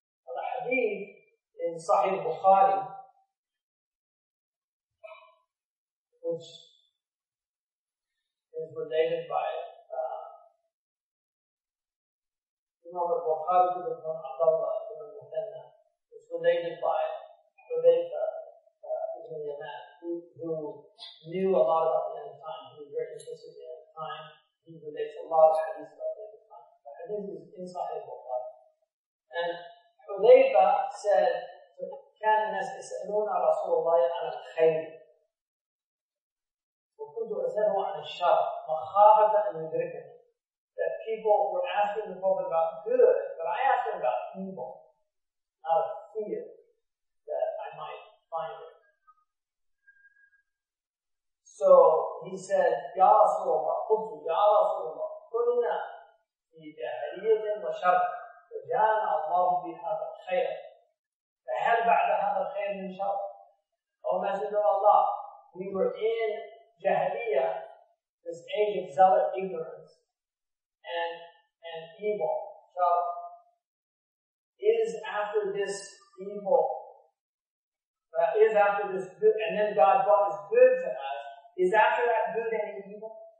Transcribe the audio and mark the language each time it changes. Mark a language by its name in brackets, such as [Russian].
[English] But the hadith in Sahih Bukhari, which is related by Imam al-Bukhari ibn Abdullah ibn al-Muhanna, is related by Hudayfa ibn Yaman, who knew a lot about the end of time, who was very interested in the end of time. He relates a lot of hadith about the end of time. The hadith is in Sahih al-Bukhari. And Hudayfa said, [Arabic] كان الناس يسألون رسول الله عن الخير وكنت أسأله عن الشر مخافة أن يدركني. [English] That people were asking the Prophet about good, but I asked him about evil out of fear that I might find it. So he said, [Arabic] Ya Rasulullah, قلت يا رسول الله قلنا في جاهلية وشر فجاءنا الله بهذا الخير. فهل بعد هذا الخير من شر؟ أو ما زلنا الله. [English] We were in جاهلية, this age of zealot ignorance and evil. So, is after this evil, is after this good, and then God brought this good to us, is after that good any evil?